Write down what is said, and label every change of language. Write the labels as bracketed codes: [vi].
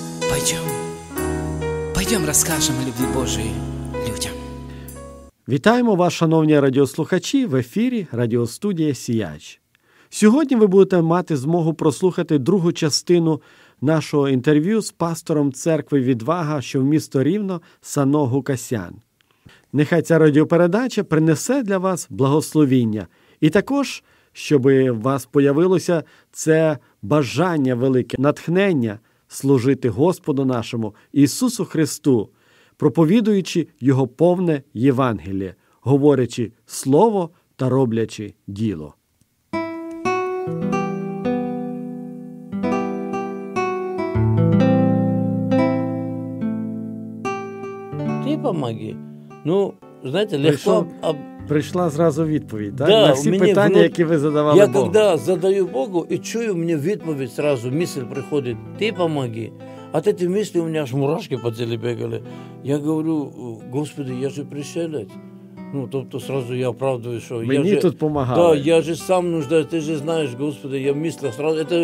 [ru] Пойдем, пойдем расскажем о любви Божией людям. [uk] Вітаємо вас, шановні радіослухачі, в ефірі радіостудія «Сіяч». Сьогодні ви будете мати змогу прослухати другу частину нашого інтерв'ю з пастором церкви «Відвага», що в місто Рівно, Сано Гукасян. Нехай ця радіопередача принесе для вас благословіння. І також, щоб у вас появилося це бажання велике, натхнення служити Господу нашому Ісусу Христу, проповідуючи Його повне Євангеліє, говорячи слово та роблячи діло. [ru] Помоги. Ну, знаете, легко... Пришла сразу [uk] відповідь, так? Да, на всі питання, які ви задавали [ru] я Богу. Я когда задаю Богу и чую, мне відповідь сразу, мысль приходит, ты помоги. От этой мысли у меня аж мурашки по теле бегали. Я говорю, Господи, я же пришелец. Ну, тобто сразу я оправдываю, что... [uk] Мені [ru] я тут помогали. Да, я же сам нуждаюсь, ты же знаешь, Господи, я мысль сразу...